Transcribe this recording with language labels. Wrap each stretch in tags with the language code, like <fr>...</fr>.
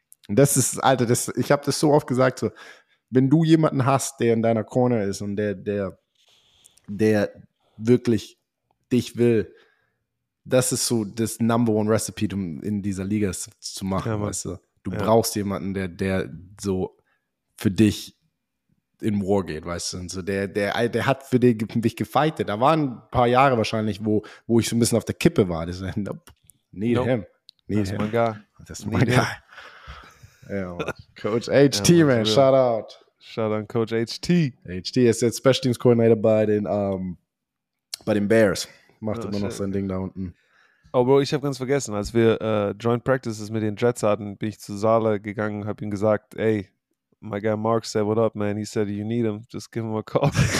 <de>Und das ist, Alter, ich habe das so oft gesagt, so, wenn du jemanden hast, der in deiner Corner ist und der wirklich dich will, das ist so das Number One Recipe, um in dieser Liga zu machen, ja, weißt du. Du brauchst jemanden, der so für dich in War geht, weißt du. Und so, der hat für dich gefightet. Da waren ein paar Jahre wahrscheinlich, wo ich so ein bisschen auf der Kippe war. Das war,</de> <en>need him.</en> <de>Das ist mein Guy. Ja, Coach HT, ja, man, shout out. Shout out an Coach HT. HT ist jetzt Special Teams Coordinator bei den Bears. Macht immer noch sein Ding da unten. Oh, Bro, ich habe ganz vergessen, als wir Joint Practices mit den Jets hatten, bin ich zu Saleh gegangen, habe ihm gesagt, ey,</de> <en>my guy Mark said, what up, man? He said, you need him, just give him a call.</en>